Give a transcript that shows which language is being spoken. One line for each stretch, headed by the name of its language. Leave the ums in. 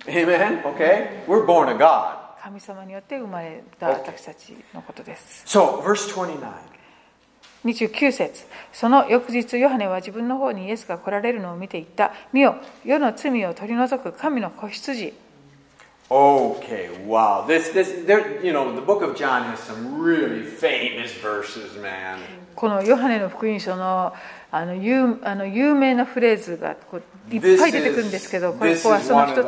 English: Okay. We're born o God.
Japanese: 神様によって生まれた私たちのことです、okay.
English: so, verse 29.
Japanese: 29節その翌日ヨハネは自分の方にイエスが来られるのを見ていった見よ世の罪を取り除く神の子羊
English: Okay, wow. This, this, h e r e you know, the book of John has some really famous verses, man.
Japanese: このヨハネの福音書のあの有あの有名なフレーズがこういっぱい出てくるんですけど、is, これはその一つ